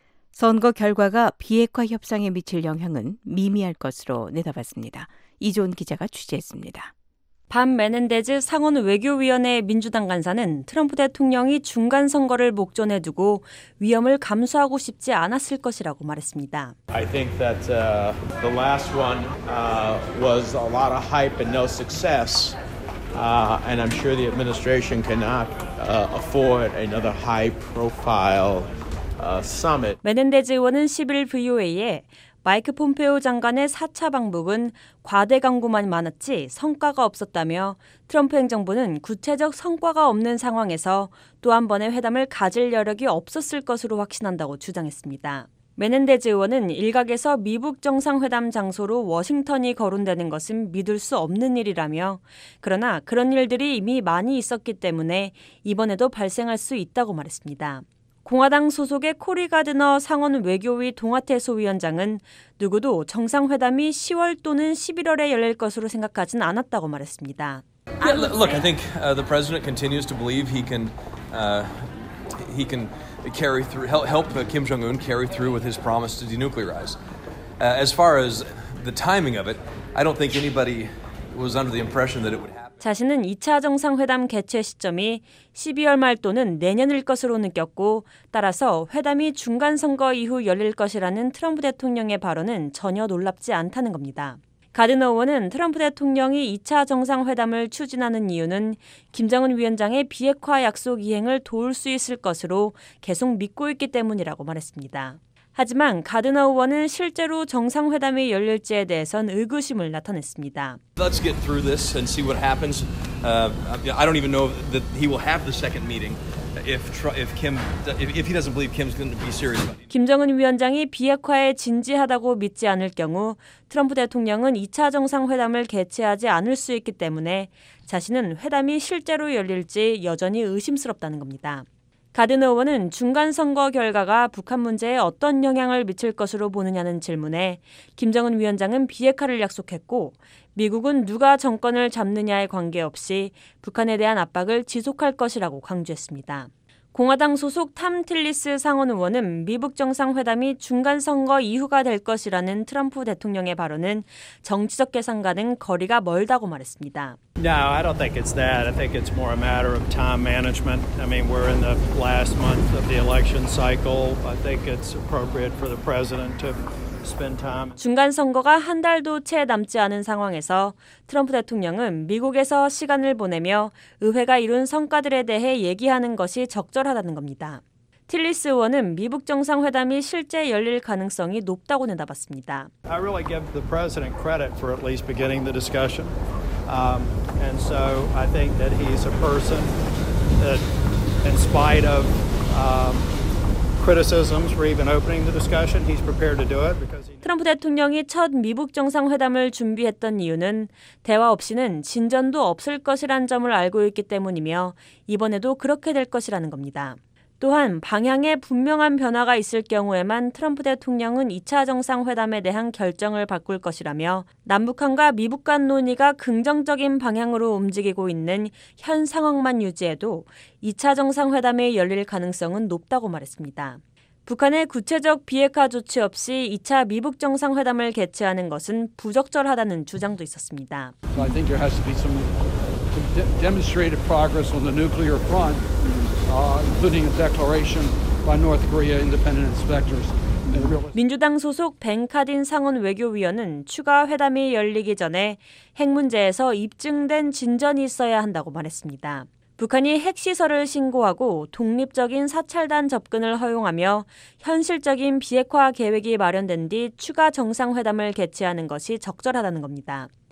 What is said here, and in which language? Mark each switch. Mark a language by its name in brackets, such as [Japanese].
[Korean] 선거 결과가 비핵화 협상에 미칠 영향은 미미할 것으로 내다봤습니다. 이조은 기자가 취재했습니다. 밤 메넨데즈 상원 외교위원회 민주당 간사는 트럼프 대통령이 중간선거를 목전에 두고 위험을 감수하고 싶지 않았을 것이라고 말했습니다. [English] I think that the last one was a lot of hype and no success. And I'm sure the administration cannot afford another high profile summit. [Korean] 메넨데즈 의원은 10일 VOA에 마이크 폼페오 장관의 4차 방북은 과대강구만 많았지 성과가 없었다며 트럼프 행정부는 구체적 성과가 없는 상황에서 또 한 번의 회담을 가질 여력이 없었을 것으로 확신한다고 주장했습니다. 메넨데즈 의원은 일각에서 미북 정상회담 장소로 워싱턴이 거론되는 것은 믿을 수 없는 일이라며 그러나 그런 일들이 이미 많이 있었기 때문에 이번에도 발생할 수 있다고 말했습니다. 공화당 소속의 코리 가드너 상원 외교위 동아태 소위원장은 누구도 정상회담이 10월 또는 11월에 열릴 것으로 생각하진 않았다고 말했습니다. [English] Yeah, look, I think the president continues to believe he can carry through help Kim Jong Un carry through with his promise to denuclearize. As far as the timing of it, I don't think anybody was under the impression that it would happen. [Korean] 자신은 2차 정상회담 개최 시점이 12월 말 또는 내년일 것으로 느꼈고 따라서 회담이 중간선거 이후 열릴 것이라는 트럼프 대통령의 발언은 전혀 놀랍지 않다는 겁니다. 가드너 의원은 트럼프 대통령이 2차 정상회담을 추진하는 이유는 김정은 위원장의 비핵화 약속 이행을 도울 수 있을 것으로 계속 믿고 있기 때문이라고 말했습니다. 하지만 가드너 의원은 실제로 정상회담이 열릴지에 대해선 의구심을 나타냈습니다. [English] Let's get through this and see what happens. I don't even know that he will have the second meeting if he doesn't believe Kim's going to be serious. [Korean] 김정은 위원장이 비핵화에 진지하다고 믿지 않을 경우 트럼프 대통령은 2차 정상회담을 개최하지 않을 수 있기 때문에 자신은 회담이 실제로 열릴지 여전히 의심스럽다는 겁니다. 가드너 의원은 중간선거 결과가 북한 문제에 어떤 영향을 미칠 것으로 보느냐는 질문에 김정은 위원장은 비핵화를 약속했고 미국은 누가 정권을 잡느냐에 관계없이 북한에 대한 압박을 지속할 것이라고 강조했습니다. 공화당 소속 탐 틸리스 상원 의원은 미북 정상회담이 중간선거 이후가 될 것이라는 트럼프 대통령의 발언은 정치적 계산과는 거리가 멀다고 말했습니다. [English] No, I don't think it's that. I think it's more a matter of time management. I mean, we're in the last month of the election cycle. I think it's appropriate for the president to [Korean] 중간 선거가 한 달도 채 남지 않은 상황에서 트럼프 대통령은 미국에서 시간을 보내며 의회가 이룬 성과들에 대해 얘기하는 것이 적절하다는 겁니다. 틸리스 의원은 미북 정상회담이 실제 열릴 가능성이 높다고 내다봤습니다. [English] I really give the president credit for at least beginning the discussion. And so I think that he's a person that in spite of criticisms for even opening the discussion, he's prepared to do it because [Korean] 트럼프 대통령이 첫 미북 정상회담을 준비했던 이유는 대화 없이는 진전도 없을 것이란 점을 알고 있기 때문이며 이번에도 그렇게 될 것이라는 겁니다. 또한 방향에 분명한 변화가 있을 경우에만 트럼프 대통령은 2차 정상회담에 대한 결정을 바꿀 것이라며 남북한과 미북 간 논의가 긍정적인 방향으로 움직이고 있는 현 상황만 유지해도 2차 정상회담이 열릴 가능성은 높다고 말했습니다. 북한의 구체적 비핵화 조치 없이 2차 미북 정상회담을 개최하는 것은 부적절하다는 주장도 있었습니다. [English] So I think there has to be some demonstrated progress on the nuclear front. Including a declaration by North Korea independent inspectors. [Korean] 민주당 소속 벤 카딘 상원 외교위원은 추가 회담이 열리기 전에 핵 문제에서 입증된 진전이 있어야 한다고 말했습니다. 북한이 핵 시설을 신고하고 독립적인 사찰단 접근을 허용하며 현실적인 비핵화 계획이 마련된 뒤 추가 정상회담을 개최하는 것이 적절하다는 겁니다.